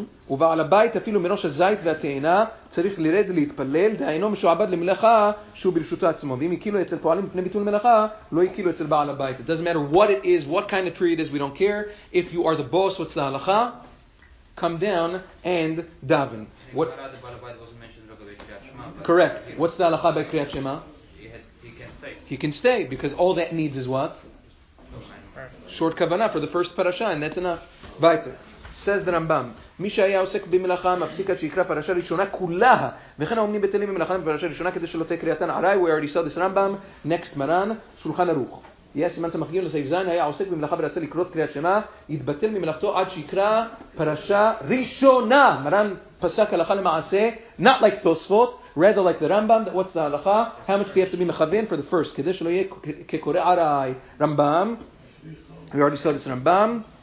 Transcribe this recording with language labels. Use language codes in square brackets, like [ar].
[he] ובעל הבית אפילו מראש הזית והתאנה צריך לרד להתפלל דהיינו משועבד למלאכה שהוא ברשותו עצמו ואם יקילו אצל פועלים מפני ביטול מלאכה לא יקילו אצל בעל הבית. [en] It doesn't matter what it is, what kind of tree it is, we don't care. If you are the boss, what's the הלכה? Come down and daven. What? בעל הבית wasn't mentioned correct. What's the הלכה בקריאת שמע? He can stay He can stay, because all that needs is what? Short kavanah for the first parasha, and that's enough. [yi] Vayter. [he] Says the Rambam, מי שהיה עוסק במלאכה מפסיקה שיקרא פרשה ראשונה כולה, וכן האומנים בטלים במלאכה בפרשה ראשונה כדי שלא תהיה קריאתן עראי, [en] we already saw this Rambam, next Maran, [he] שולחן ערוך. יהיה סימן סמכים לסעיף זין, היה עוסק במלאכה ורצה לקרוא קריאת שמה, יתבטל ממלאכתו עד שיקרא פרשה ראשונה. מרן פסק הלכה למעשה, [en] not like Tosfot, rather like the Rambam, what's the הלכה? How much do you have to be מכוון for the first, [he] כדי שלא יהיה כקורא עראי, [en] Rambam. We already saw this Rambam.